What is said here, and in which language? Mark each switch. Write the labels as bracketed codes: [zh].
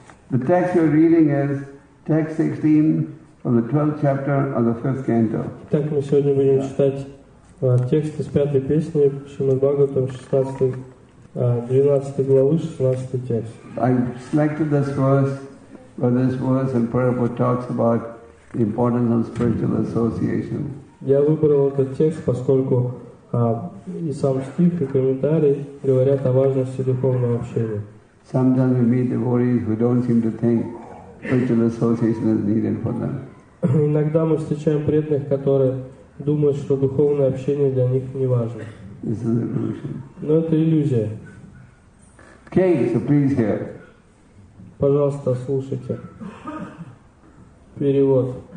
[en] The text you're reading is text 16 from the 12th chapter of the 5th canto. [ru] Так мы сегодня будем читать текст из пятой песни Шримад Бхагаватам, 12 главы, 16 текст. [en] I selected this verse, but this verse in Prabhupada talks about the importance of spiritual association. [ru] Я выбрал этот текст, поскольку и сам стих, и комментарии говорят о важности духовного общения. [en] Sometimes we meet devotees who don't seem to think spiritual association is needed for them. [ru] Иногда мы встречаем преданных, которые думают, что духовное общение для них не важно. [en] This is an illusion. [ru] Но это иллюзия. [en] Okay, so please hear. [ru] Пожалуйста, слушайте. Перевод.